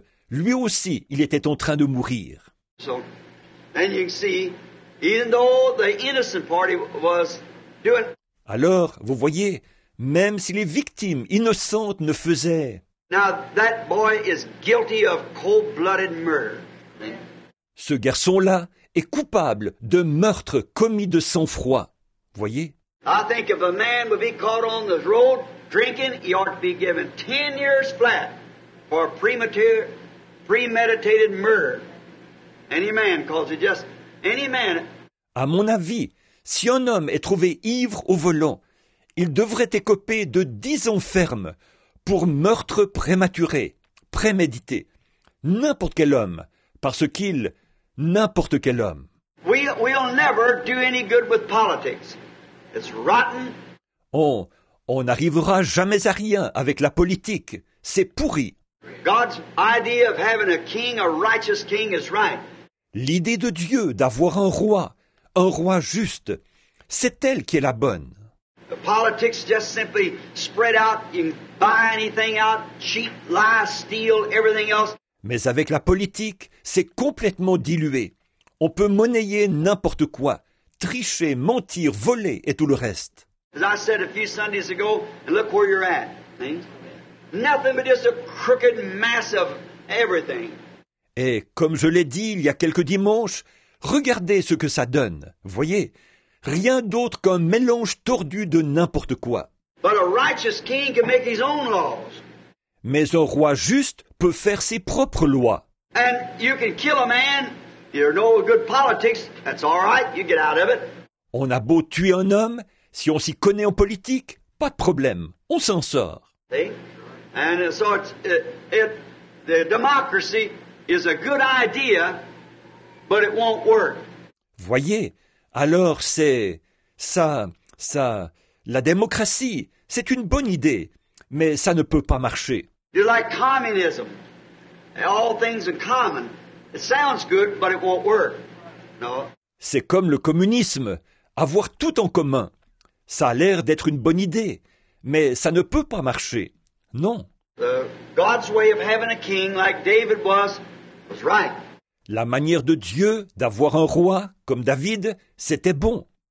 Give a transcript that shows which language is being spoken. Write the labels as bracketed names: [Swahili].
[French] Lui aussi, il était en train de mourir. [English] So, then you can see, even though the innocent party was doing... [French] Alors, vous voyez, même si les victimes innocentes ne faisaient... [English] Now, that boy is guilty of cold-blooded murder. [French] Ce garçon-là est coupable de meurtre commis de sang-froid. Voyez? [English] I think if a man would be caught on the road drinking, he ought to be given 10 years flat for premeditated murder. Any man calls it just... Any man... [French] À mon avis, si un homme est trouvé ivre au volant, il devrait écoper de 10 ans ferme pour meurtre prématuré, prémédité. N'importe quel homme, parce qu'il, n'importe quel homme. [English] We'll never do any good with politics. It's rotten. [French] On n'arrivera jamais à rien avec la politique. C'est pourri. [English] God's idea of having a king, a righteous king, is right. [French] L'idée de Dieu d'avoir un roi juste, c'est elle qui est la bonne. [English] The politics just simply spread out, you can buy anything out, cheat, lie, steal, everything else. [French] Mais avec la politique, c'est complètement dilué. On peut monnayer n'importe quoi, tricher, mentir, voler et tout le reste. [English] As I said a few Sundays ago, and look where you're at. Nothing but just a crooked mass of everything. [French] Et comme je l'ai dit il y a quelques dimanches, regardez ce que ça donne. Voyez, rien d'autre qu'un mélange tordu de n'importe quoi. [English] But a righteous king can make his own laws. [French] Mais un roi juste peut faire ses propres lois. [English] And you can kill a man, you're no good politics, that's all right, you get out of it. [French] On a beau tuer un homme, si on s'y connaît en politique, pas de problème, on s'en sort. [English] See? And so it's the democracy is a good idea, but it won't work. [French] Voyez, alors c'est ça, la démocratie, c'est une bonne idée, mais ça ne peut pas marcher. [English] You like communism? All things in common. It sounds good, but it won't work. No. [French] C'est comme le communisme, avoir tout en commun. Ça a l'air d'être une bonne idée, mais ça ne peut pas marcher. Non. [English] God's way of having a king like David was. Was right. [French] La manière de Dieu d'avoir un roi comme David, c'était bon.